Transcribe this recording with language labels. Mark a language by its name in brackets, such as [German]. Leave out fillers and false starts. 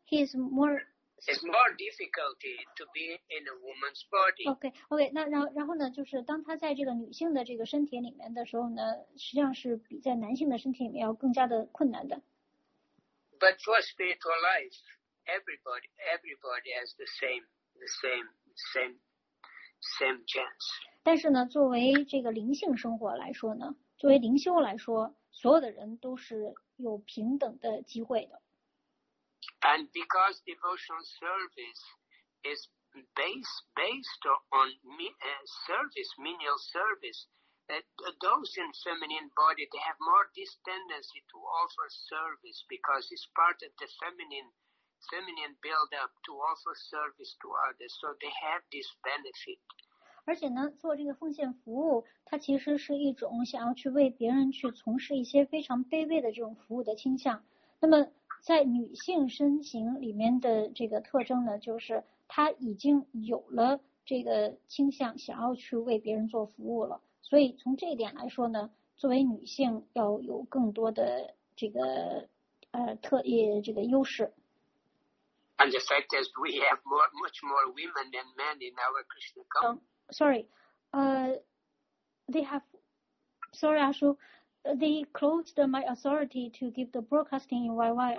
[English] It's more difficult to be in a woman's body. Okay. [Chinese] 那然后呢，就是当他在这个女性的这个身体里面的时候呢，实际上是比在男性的身体里面要更加的困难的。 [English] But for spiritual life, everybody has the same chance. [Chinese] 但是呢，作为这个灵性生活来说呢，作为灵修来说，所有的人都是有平等的机会的。 [English] And because devotional service is based on service, menial service, that those in feminine body, they have more this tendency to offer service because it's part of the feminine build-up to offer service to others. So they have this benefit. [Chinese] 而且呢，做这个奉献服务，它其实是一种想要去为别人去从事一些非常卑微的这种服务的倾向。那么在女性身形里面的这个特征呢，就是她已经有了这个倾向，想要去为别人做服务了。所以从这一点来说呢，作为女性要有更多的这个这个优势。 [English] And the fact is, we have much more women than men in our Krishna cult. They closed my authority to give the broadcasting in YY.